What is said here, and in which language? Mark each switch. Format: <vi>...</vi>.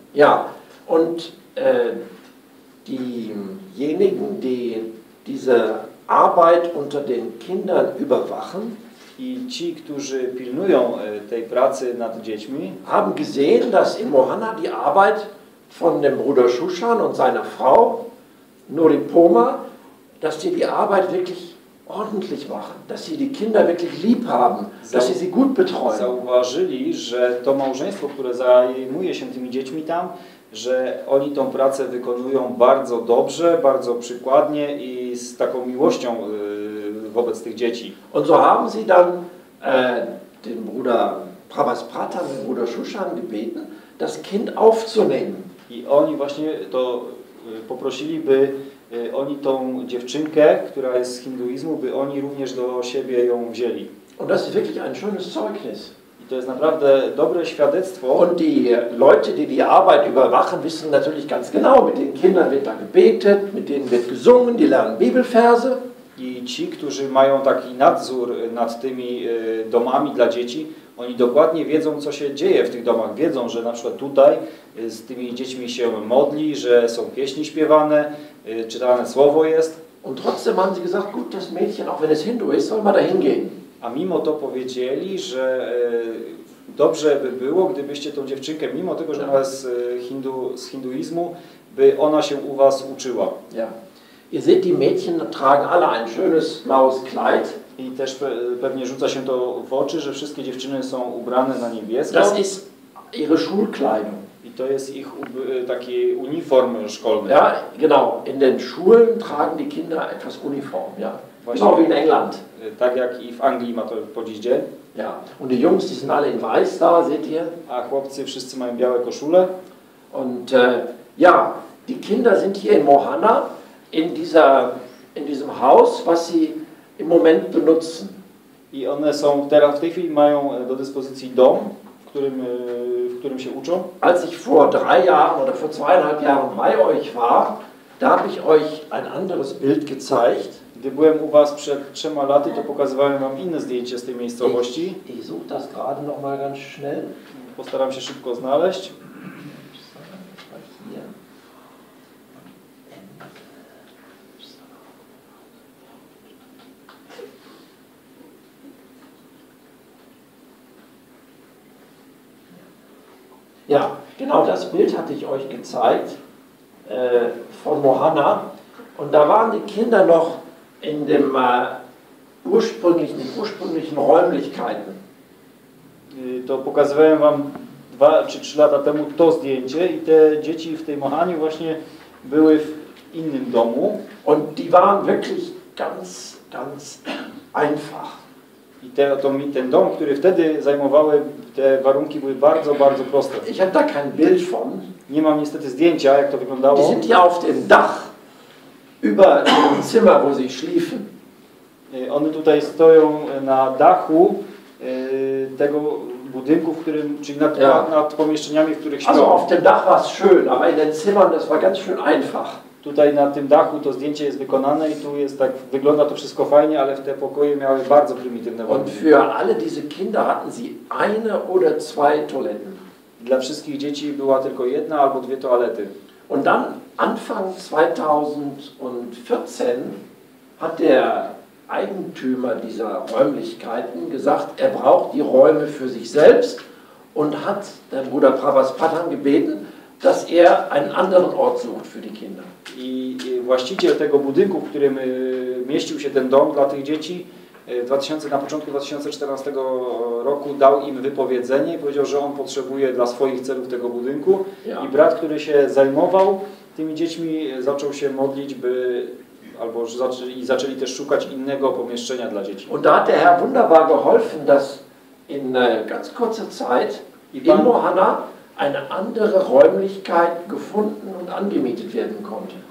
<de>Ja, und diejenigen, die diese Arbeit unter den Kindern überwachen,</de> <pl>i ci, którzy pilnują tej pracy nad dziećmi,</pl> <de>haben gesehen, dass in Mohana die Arbeit von dem Bruder Shushan und seiner Frau Noripoma, dass sie die Arbeit wirklich ordentlich machen, dass sie die Kinder wirklich lieb haben, dass sie sie gut betreuen.</de> <pl>Zauważyli, że to małżeństwo, które zajmuje się tymi dziećmi tam, że oni tą pracę wykonują bardzo dobrze, bardzo przykładnie i z taką miłością wobec tych dzieci.</pl> <de>Und so haben sie dann den Bruder Prabhasprata, den Bruder Shushan gebeten, das Kind aufzunehmen.</de> <pl>I oni właśnie to poprosili, by oni tą dziewczynkę, która jest z hinduizmu, by oni również do siebie ją wzięli.</pl> <de>Und das ist wirklich ein schönes Zeugnis.</de> <pl>I to jest naprawdę dobre świadectwo.</pl> <de>Und die Leute, die Arbeit überwachen, wissen natürlich ganz genau, mit den Kindern wird da gebetet, mit denen wird gesungen, die lernen Bibelverse.</de> <pl>I ci, którzy mają taki nadzór nad tymi domami dla dzieci, oni dokładnie wiedzą, co się dzieje w tych domach. Wiedzą, że na przykład tutaj z tymi dziećmi się modli, że są pieśni śpiewane, czytane słowo jest.</pl> <de>Und trotzdem haben sie gesagt, gut, das Mädchen, auch wenn es Hindu ist, soll mal dahin gehen.</de> <pl>A mimo to powiedzieli, że dobrze by było, gdybyście tą dziewczynkę, mimo tego, że ona jest z hinduizmu, by ona się u was uczyła.</pl> <de>Ja. Ihr seht, die Mädchen tragen alle ein schönes blaues Kleid.</de> <pl>I też pewnie rzuca się to w oczy, że wszystkie dziewczyny są ubrane na niebiesko.</pl> <de>Das ist ihre Schulkleidung.</de> <pl>I to jest ich taki uniform szkolny.</pl> <de>Ja, genau. In den Schulen tragen die Kinder etwas uniform, ja.</de> <pl>Właśnie,</pl> <de>genau wie in England.</de> <pl>Tak jak i w Anglii ma to po dziś dzień.</pl> <de>Ja. Und die Jungs, die sind alle in weiß da, seht ihr?</de> <pl>A chłopcy wszyscy mają białe koszule.</pl> <de>Und ja, die Kinder sind hier in Mohana, in diesem Haus, was sie im Moment benutzen.</de> <pl>I one są teraz, w tej chwili mają do dyspozycji dom, w którym się uczą.</pl> <de>Als ich vor drei Jahren oder vor zweieinhalb Jahren bei euch war, da habe ich euch ein anderes Bild gezeigt.</de> <pl>Gdy byłem u was przed 3 laty, to pokazywałem wam inne zdjęcie z tej miejscowości.</pl> <de>Ich suche das gerade noch mal ganz schnell.</de> <pl>Postaram się szybko znaleźć.</pl> <de>Ja, genau das Bild hatte ich euch gezeigt von Mohana. Und da waren die Kinder noch in dem ursprünglichen Räumlichkeiten.</de> <pl>To pokazywałem wam 2 czy 3 lata temu to zdjęcie i te dzieci w tej Mohaniu właśnie były w innym domu.</pl> <de>Und die waren wirklich ganz, ganz einfach.</de> <pl>I ten dom, który wtedy zajmowały, te warunki były bardzo, bardzo proste.</pl> <de>Ich habe da kein Bild von.</de> <pl>Nie mam niestety zdjęcia, jak to wyglądało.</pl> <de>Die sind ja auf dem Dach über dem Zimmer, wo sie schliefen.</de> <pl>One tutaj stoją na dachu tego budynku, w którym, czyli nad, ja, nad pomieszczeniami, w których śpią.</pl> <de>Also auf dem Dach war es schön, aber in den Zimmern das war ganz schön einfach.</de> <pl>Tutaj na tym dachu to zdjęcie jest wykonane i tu jest tak, wygląda to wszystko fajnie, ale w te pokoje miały bardzo prymitywne warunki.</pl> <de>Und für alle diese Kinder hatten sie eine oder zwei Toiletten.</de> <pl>Dla wszystkich dzieci była tylko jedna albo dwie toalety.</pl> <de>Und dann Anfang 2014 hat der Eigentümer dieser Räumlichkeiten gesagt, er braucht die Räume für sich selbst und hat der Bruder Prabhaspatan gebeten, dass er einen anderen Ort sucht für die Kinder.</de> <pl>I właściciel tego budynku, w którym mieścił się ten dom dla tych dzieci, na początku 2014 roku dał im wypowiedzenie i powiedział, że on potrzebuje dla swoich celów tego budynku. Ja. I brat, który się zajmował tymi dziećmi, zaczął się modlić, by albo i zaczęli też szukać innego pomieszczenia dla dzieci.</pl> <de>Und da hat der Herr wunderbar geholfen, dass in ganz kurzer Zeit in Mohana eine andere Räumlichkeit gefunden und angemietet werden konnte.</de>